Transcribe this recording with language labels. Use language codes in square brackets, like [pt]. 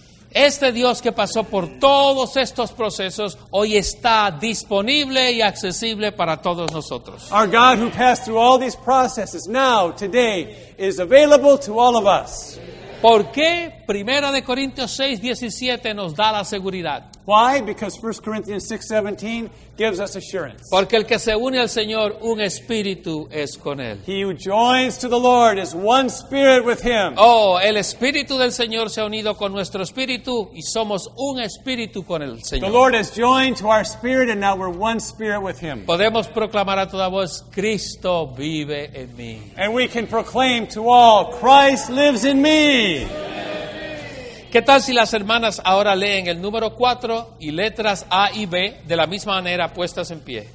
[es] Este Dios que pasó por todos estos procesos hoy está disponible y accesible para todos nosotros. [en] Our God who passed through all these processes now, today, is available to all of us. [es] ¿Por qué 1 Corintios 6, 17 nos da la seguridad? [en] Why? Because 1 Corinthians 6, 17 gives us assurance. [es] Porque el que se une al Señor, un espíritu es con él. [en] He who joins to the Lord is one spirit with him. [es] Oh, el espíritu del Señor se ha unido con nuestro espíritu y somos un espíritu con el Señor. [en] The Lord has joined to our spirit and now we're one spirit with him. [es] Podemos proclamar a toda voz, Cristo vive en mí. [en] And we can proclaim to all, Christ lives in me. [es] ¿Qué tal si las hermanas ahora leen el número 4 y letras A y B de la misma manera puestas en pie?